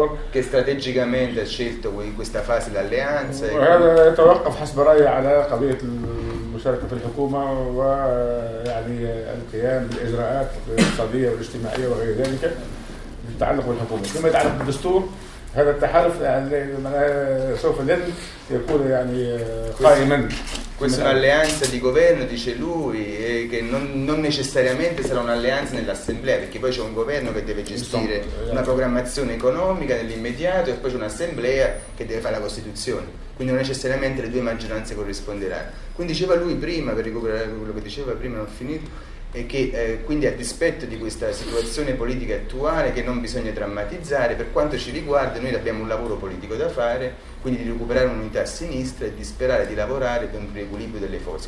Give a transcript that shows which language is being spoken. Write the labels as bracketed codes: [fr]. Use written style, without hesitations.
[it] Che strategicamente ha scelto in questa fase l'alleanza. [ar] مشاركة في الحكومة ويعني القيام بالإجراءات الاقتصادية والاجتماعية وغير ذلك للتعلق بالحكومة. فيما يتعلق بالدستور هذا التحالف سوف لن يكون يعني قائما. [it] Questa è un'alleanza di governo, dice lui, e che non necessariamente sarà un'alleanza nell'assemblea, perché poi c'è un governo che deve gestire una programmazione economica nell'immediato e poi c'è un'assemblea che deve fare la Costituzione. Quindi non necessariamente le due maggioranze corrisponderanno. Quindi diceva lui prima, per recuperare quello che diceva prima, non ho finito, e che quindi a dispetto di questa situazione politica attuale che non bisogna drammatizzare, per quanto ci riguarda noi abbiamo un lavoro politico da fare, quindi di recuperare un'unità a sinistra e di sperare di lavorare per un riequilibrio delle forze.